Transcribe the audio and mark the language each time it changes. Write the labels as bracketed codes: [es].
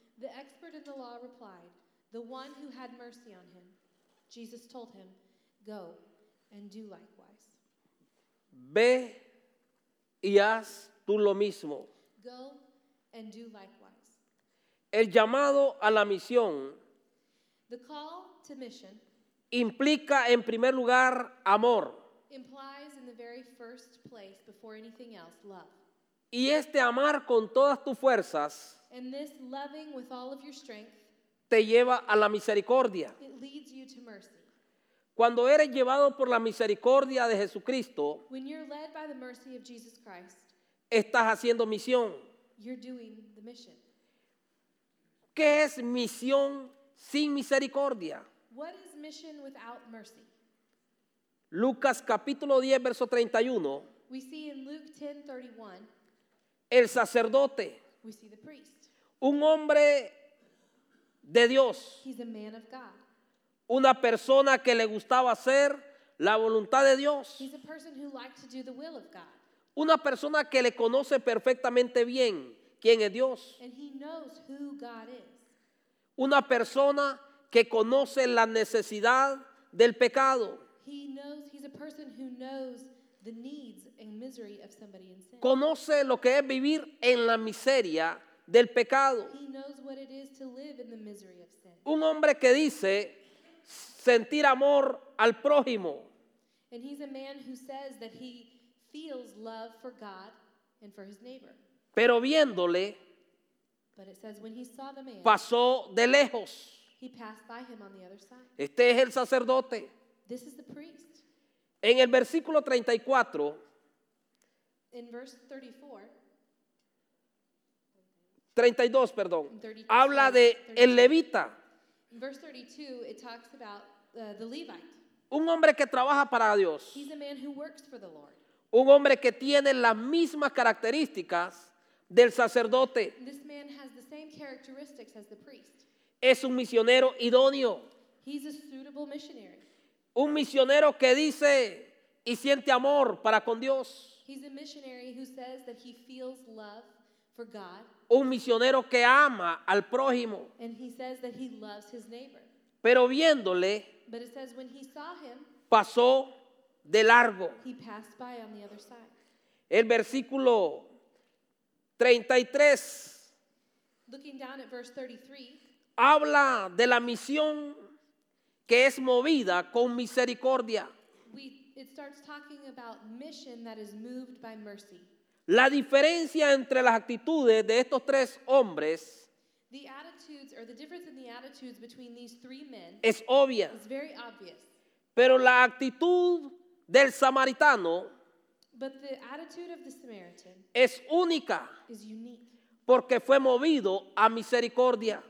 [en] The expert in the law replied, the one who had mercy on him. Jesus told him, go and do likewise. [es] Ve y haz tú lo mismo. [en] Go and do likewise. [es] El llamado a la misión. [en] The call to mission. [es] Implica en primer lugar amor. [en] Implies in the very first place, before anything else, love. [es] Y este amar con todas tus fuerzas. [en] And this loving with all of your strength. [es] Te lleva a la misericordia. [en] It leads you to mercy. [es] Cuando eres llevado por la misericordia de Jesucristo. [en] When you're led by the mercy of Jesus Christ. [es] Estás haciendo misión. [en] You're doing the mission. [es] ¿Qué es misión sin misericordia? [en] What is mission without mercy? [es] Lucas capítulo 10 verso 31. [en] We see in Luke 10:31. [es] El sacerdote. [en] We see the priest. [es] Un hombre de Dios. [en] He's a man of God. [es] Una persona que le gustaba hacer la voluntad de Dios. [en] He's a person who liked to do the will of God. [es] Una persona que le conoce perfectamente bien quién es Dios. [en] And he knows who God is. [es] Una persona que conoce la necesidad del pecado. [en] He knows, he's a person who knows the needs and misery of somebody in sin. [es] Conoce lo que es vivir en la miseria del pecado. [en] He knows what it is to live in the misery of sin. [es] Un hombre que dice sentir amor al prójimo. [en] And he's a man who says that he feels love for God and for his neighbor. [es] Pero viéndole, [en] but it says when he saw the man, [es] pasó de lejos. [en] He passed by him on the other side. [es] Este es el sacerdote. [en] This is the priest. [es] En el versículo 34, [en] in verse 34, [es] 32, perdón, 32, habla de 32. El levita. [en] In verse 32, it talks about the Levite. [es] Un hombre que trabaja para Dios. [en] He's a man who works for the Lord. [es] Un hombre que tiene las mismas características del sacerdote. [en] This man has the same characteristics as the priest. [es] Es un misionero idóneo. [en] He's a suitable missionary. [es] Un misionero que dice y siente amor para con Dios. [en] He's a missionary who says that he feels love for God. [es] Un misionero que ama al prójimo. [en] And he says that he loves his neighbor. [es] Pero viéndole, [en] but it says when he saw him, [es] pasó de largo. [en] He passed by on the other side. [es] El versículo 33. [en] Looking down at verse 33. [es] Habla de la misión que es movida con misericordia. [en] It starts talking about mission that is moved by mercy. [es] La diferencia entre las actitudes de estos tres hombres, [en] the attitudes, or the difference in the attitudes between these three men, [es] es obvia. [en] It's very obvious. [es] Pero la actitud del samaritano, [en] but the attitude of the Samaritan, [es] es única. [en] Is unique. [es] Porque fue movido a misericordia.